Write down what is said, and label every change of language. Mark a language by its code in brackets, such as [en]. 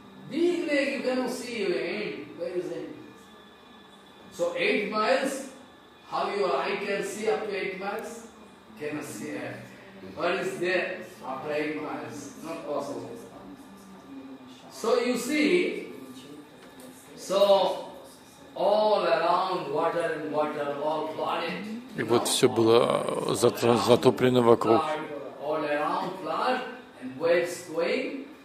[en] Big lake, you cannot see your end. Where is end? So 8 miles, how your eye can see up to 8 miles? Cannot see end. What is there after 8 miles? Not possible. So you see, so all around water and water, all flooded. [ru] И вот все было затоплено вокруг. [en] All around flood and waves going.